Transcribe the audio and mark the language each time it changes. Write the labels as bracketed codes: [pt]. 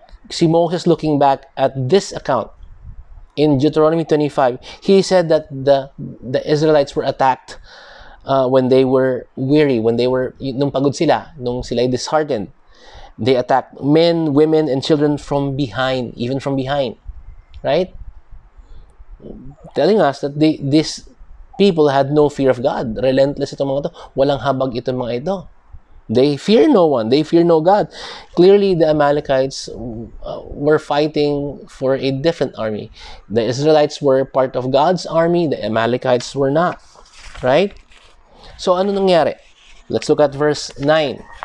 [en] see Moses looking back at this account in Deuteronomy 25, he said that the Israelites were attacked when they were weary, when they were [tl] nung pagod sila, nung sila [en] disheartened. They attacked men, women, and children from behind, even from behind, right? Telling us that these people had no fear of God. [tl] Relentless itong mga ito. Walang habag itong mga ito. [en] They fear no one. They fear no God. Clearly, the Amalekites were fighting for a different army. The Israelites were part of God's army. The Amalekites were not. Right? So, [tl] ano nangyari? [en] Let's look at verse 9.